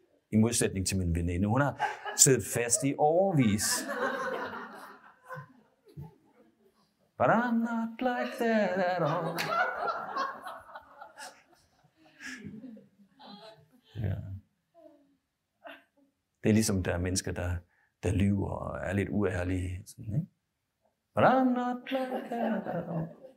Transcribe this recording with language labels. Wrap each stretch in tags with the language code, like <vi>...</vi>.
<da>I modsætning til min veninde. Hun har siddet fast i årevis.</da> <en>But I'm not like that at all.</en> <da>Ja. Det er ligesom, der er mennesker, der lyver og er lidt uærlige. Sådan, ikke?</da> <en>But I'm not like that at all.</en>